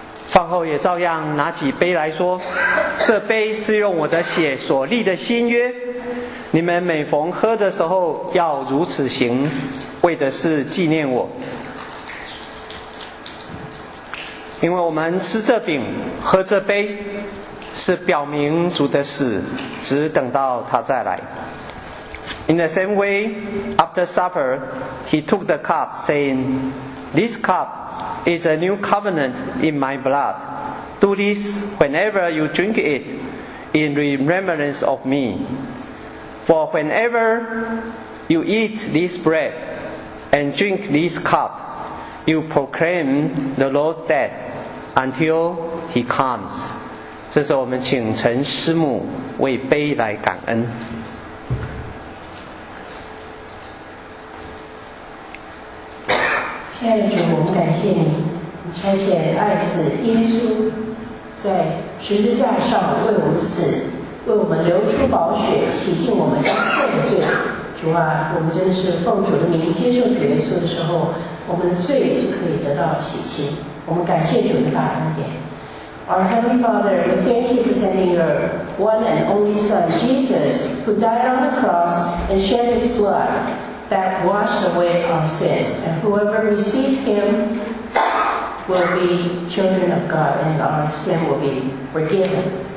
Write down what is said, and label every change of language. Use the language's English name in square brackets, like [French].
[Chinese] 饭后也照样拿起杯来说：“这杯是用我的血所立的新约，你们每逢喝的时候要如此行，为的是纪念我。” 因为我们吃这饼喝这杯，是表明主的死只等到他再来。 [English] In the same way, after supper, he took the cup, saying, This cup is a new covenant in my blood. Do this whenever you drink it in remembrance of me. For whenever you eat this bread and drink this cup, you proclaim the Lord's death until he comes. [Chinese] 这是我们请陈师母为杯来感恩。亲爱的主，我们感谢你，你差遣爱子耶稣在十字架上为我们死，为我们流出宝血，洗净我们一切的罪。主啊，我们真的是奉主的名接受主耶稣的时候，我们的罪就可以得到洗清。我们感谢主的大恩典。 [English] Our Heavenly Father, we thank you for sending your one and only Son, Jesus, who died on the cross and shed his blood that washed away our sins. And whoever received him will be children of God and our sin will be forgiven.